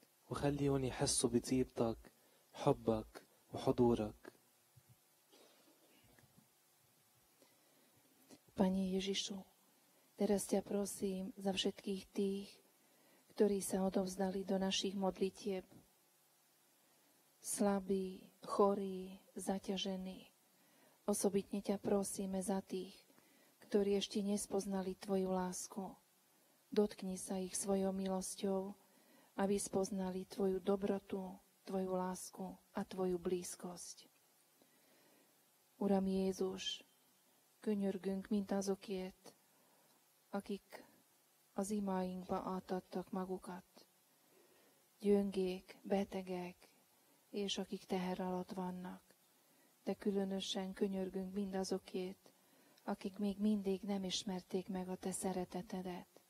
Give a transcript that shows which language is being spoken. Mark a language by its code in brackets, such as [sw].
[ar] وخليهم يحسوا بطيبتك حبك وحضورك. [sk] Panie Ježišu, teraz ťa prosím za všetkých tých, ktorí sa odovzdali do našich modlitieb. Slabí, chorí, zaťažení. Osobitne ťa prosíme za tých, ktorí ešte nespoznali tvoju lásku. Dotkni sa ich svojou milosťou, aby spoznali tvoju dobrotu, tvoju lásku a tvoju blízkosť. [hu] Uram Jézus, könyörgünk mindazokért, akik az imáinkba átadtak magukat. Gyöngék, betegek, és akik teher alatt vannak, de különösen könyörgünk mindazokért, akik még mindig nem ismerték meg a te szeretetedet.